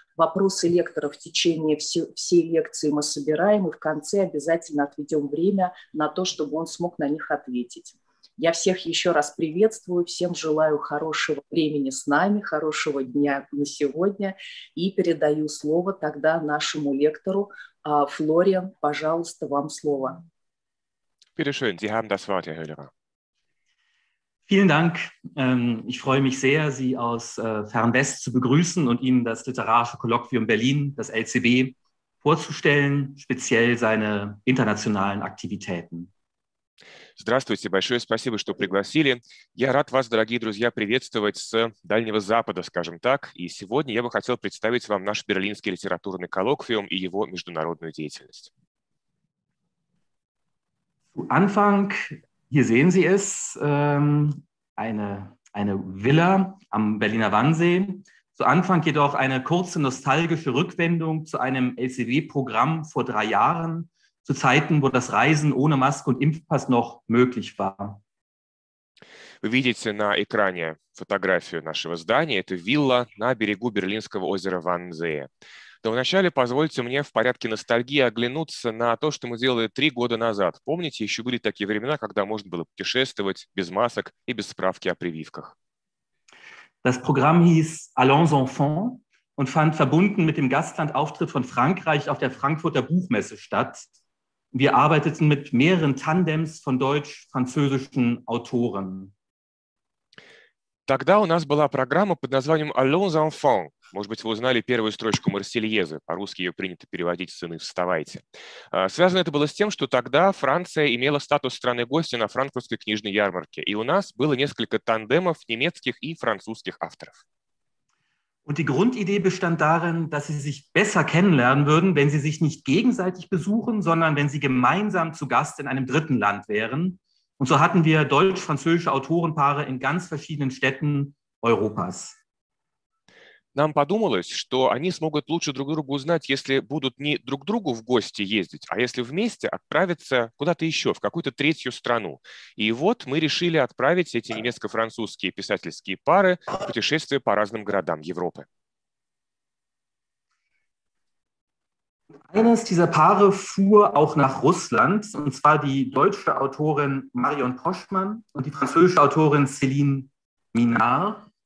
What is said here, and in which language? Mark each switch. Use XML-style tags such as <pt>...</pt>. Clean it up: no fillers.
<ru>Вопросы лектора в течение всей лекции мы собираем, и в конце обязательно отведем время на то, чтобы он смог на них ответить. Я всех еще раз приветствую, всем желаю хорошего времени с нами, хорошего дня на сегодня и передаю слово тогда нашему лектору. Флориан, пожалуйста, вам слово.</ru> <de>Bitte schön, Sie haben das Wort, Herr Höllerer. Vielen Dank. Ich freue mich sehr, Sie aus Fernwest zu begrüßen und Ihnen das Literarische Kolloquium Berlin, das LCB, vorzustellen, speziell seine internationalen Aktivitäten.</de> <ru>Здравствуйте, большое спасибо, что пригласили. Я рад вас, дорогие друзья, приветствовать с Дальнего Запада, скажем так. И сегодня я бы хотел представить вам наш берлинский литературный коллоквиум и его международную деятельность.</ru> <de>Zu Anfang, hier sehen Sie es, eine Villa am Berliner Wannsee. Zu Anfang jedoch eine kurze nostalgische Rückwendung zu einem LCW-Programm vor 3 Jahren. Zu Zeiten, wo das Reisen ohne Maske und Impfpass noch möglich war.</de> <ru>Вы видите на экране фотографию нашего здания. Это вилла на берегу берлинского озера Ваннсее. Но вначале позвольте мне в порядке ностальгии оглянуться на то, что мы делали 3 года назад. Помните, еще были такие времена, когда можно было путешествовать без масок и без справки о прививках.</ru> <de>Das Programm hieß Allons Enfants und fand verbunden mit dem Gastlandauftritt von Frankreich auf der Frankfurter Buchmesse statt. Wir arbeiteten mit mehreren Tandems von deutsch-französischen Autoren.</de> <ru>Тогда у нас была программа под названием «Allons enfants». Может быть, вы узнали первую строчку Марсельезы. По-русски ее принято переводить «Сыны, вставайте». Связано это было с тем, что тогда Франция имела статус страны-гостя на франкфуртской книжной ярмарке. И у нас было несколько тандемов немецких и французских авторов.</ru> <de>Und die Grundidee bestand darin, dass Sie sich besser kennenlernen würden, wenn Sie sich nicht gegenseitig besuchen, sondern wenn Sie gemeinsam zu Gast in einem dritten Land wären. Und so hatten wir deutsch-französische Autorenpaare in ganz verschiedenen Städten Europas.</de> <ru>Нам подумалось, что они смогут лучше друг друга узнать, если будут не друг другу в гости ездить, а если вместе отправиться куда-то еще, в какую-то третью страну. И вот мы решили отправить эти немецко-французские писательские пары в путешествие по разным городам Европы.</ru> <de>Eines dieser Paare fuhr auch nach Russland, und zwar die deutsche Autorin Marion Poschmann und die französische Autorin Céline Minard.</de>